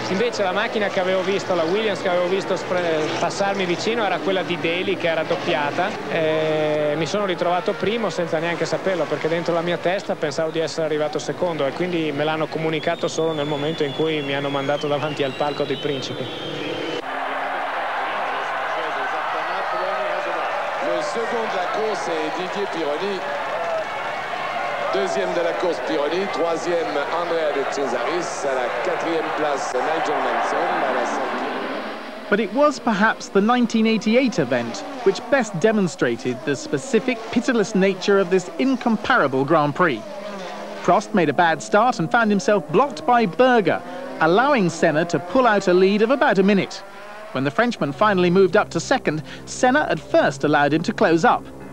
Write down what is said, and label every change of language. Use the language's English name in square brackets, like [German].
[Italian] Invece la macchina che avevo visto, la Williams che avevo visto passarmi vicino, era quella di Daly, che era doppiata. Mi sono ritrovato primo senza neanche saperlo, perché dentro la mia testa pensavo di essere arrivato secondo, e quindi me l'hanno comunicato solo nel momento in cui mi hanno mandato davanti al palco dei principi. Il secondo della corsa è [French] Didier Pironi, deuxième de la course Pironi, troisième Andrea De Cesaris, à la quatrième place Nigel Mansell, à la cinquième. [English] But it was perhaps the 1988 event which best demonstrated the specific pitiless nature of this incomparable Grand Prix. Prost made a bad start and found himself blocked by Berger, allowing Senna to pull out a lead of about a minute. When the Frenchman finally moved up to second, Senna at first allowed him to close up.